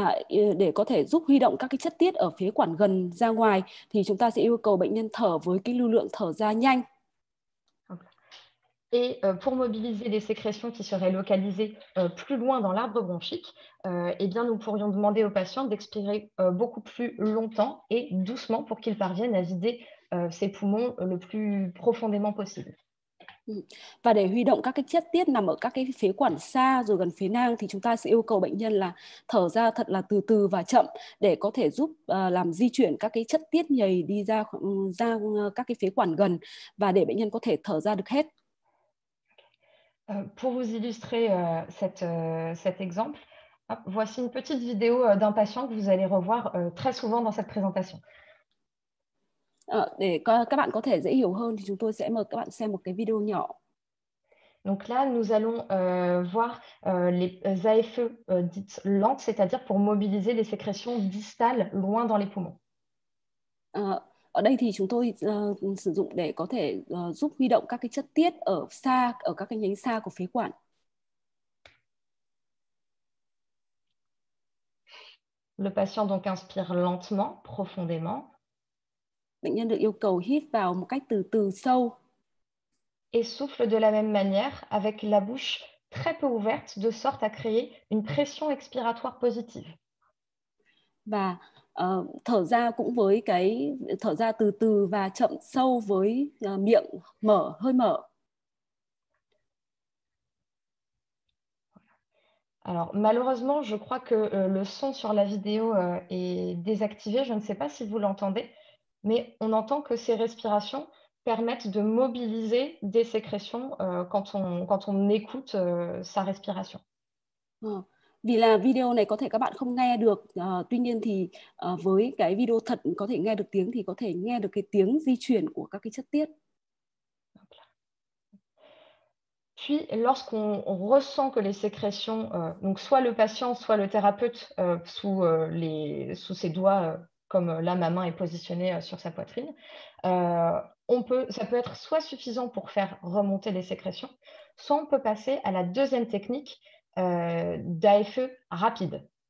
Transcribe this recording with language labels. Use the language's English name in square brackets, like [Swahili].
[Vietnamese] Để có thể giúp huy động các cái chất tiết ở phế quản gần ra ngoài thì chúng ta sẽ yêu cầu bệnh nhân thở với cái lưu lượng thở ra nhanh. [French] Et pour mobiliser des sécrétions qui seraient localisées plus loin dans l'arbre bronchique, eh bien nous pourrions demander aux patients d'expirer beaucoup plus longtemps et doucement pour qu'ils parviennent à vider ses poumons le plus profondément possible. [Vietnamese] Và để huy động các cái chất tiết nằm ở các cái phế quản xa rồi gần phế nang thì chúng ta sẽ yêu cầu bệnh nhân là thở ra thật là từ từ và chậm để có thể giúp làm di chuyển các cái chất tiết nhầy đi ra ra các cái phế quản gần và để bệnh nhân có thể thở ra được hết. [French] Pour vous illustrer cet exemple, hop, voici une petite vidéo d'un patient que vous allez revoir très souvent dans cette présentation. [Vietnamese] Để các bạn có thể dễ hiểu hơn thì chúng tôi sẽ mời các bạn xem một cái vidéo nhỏ. [French] Donc là, nous allons voir les AFE dites lentes, c'est-à-dire pour mobiliser les sécrétions distales loin dans les poumons. [Vietnamese] Ở đây thì chúng tôi sử dụng để có thể giúp huy động các cái chất tiết ở xa, ở các cái nhánh xa của phế quản. [French] Le patient donc inspire lentement, profondément. [Vietnamese] Bệnh nhân được yêu cầu hít vào một cách từ từ sâu. [French] Et souffle de la même manière avec la bouche très peu ouverte de sorte à créer une pression expiratoire positive. [Vietnamese] Và thở ra cũng với cái thở ra từ từ và chậm sâu với miệng mở, hơi mở. [French] Alors, malheureusement, je crois que le son sur la vidéo est désactivé. Je ne sais pas si vous l'entendez, mais on entend que ces respirations permettent de mobiliser des sécrétions quand on écoute sa respiration. [Vietnamese] Vì là video này có thể các bạn không nghe được, tuy nhiên thì với cái video thật có thể nghe được tiếng thì có thể nghe được cái tiếng di chuyển của các cái chất tiết. [French] Puis, lorsqu'on ressent que les sécrétions, donc soit le patient, soit le thérapeute, sous ses doigts, comme là ma main est positionnée sur sa poitrine, ça peut être soit suffisant pour faire remonter les sécrétions, soit on peut passer à la deuxième technique d'AFE rapide.